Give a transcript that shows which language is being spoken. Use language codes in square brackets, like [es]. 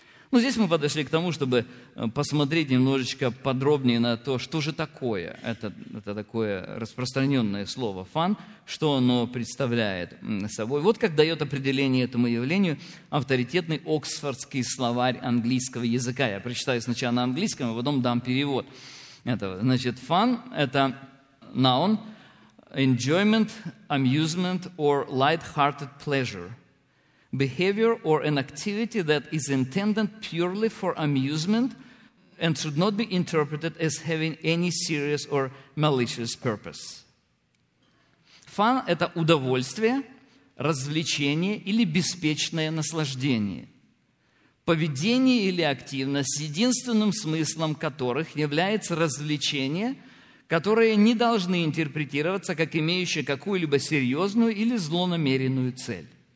[ru] Ну, здесь мы подошли к тому, чтобы посмотреть немножечко подробнее на то, что же такое это такое распространенное слово «фан», что оно представляет собой. Вот как дает определение этому явлению авторитетный Оксфордский словарь английского языка. Я прочитаю сначала на английском, а потом дам перевод этого. Значит, «фан» – это [en] noun, enjoyment, amusement or light-hearted pleasure. Behavior or an activity that is intended purely for amusement and should not be interpreted as having any serious or malicious purpose. [ru] Фан – это удовольствие, развлечение или беспечное наслаждение. Поведение или активность, единственным смыслом которых является развлечение, которое не должны интерпретироваться как имеющее какую-либо серьезную или злонамеренную цель.